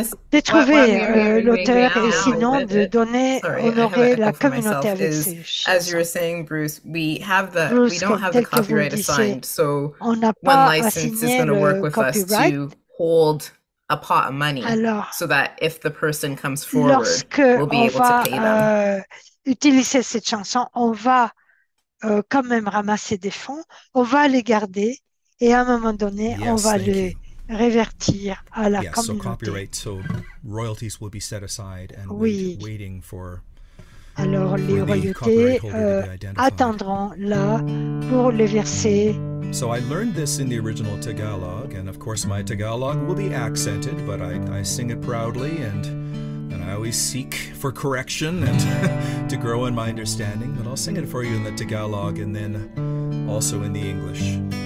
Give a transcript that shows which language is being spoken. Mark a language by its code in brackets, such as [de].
[fr] De trouver l'auteur et sinon de donner, honorer la communauté avec ses chants. [en] As you were saying, Bruce, we have the, Bruce, we don't have the copyright assigned, so one license is going to work with us to hold a pot of money, [fr] alors, [en] so that if the person comes forward, we'll be able to pay them. [fr] Utiliser cette chanson, on va quand même ramasser des fonds, on va les garder et à un moment donné, on va les revertir à la communauté. [en] So copyright, so royalties will be set aside and waiting for. [fr] Alors les royalties attendront là pour les verser. [en] So I learned this in the original Tagalog, and of course my Tagalog will be accented, but I sing it proudly, and I always seek for correction and to grow in my understanding. But I'll sing it for you in the Tagalog, and then also in the English.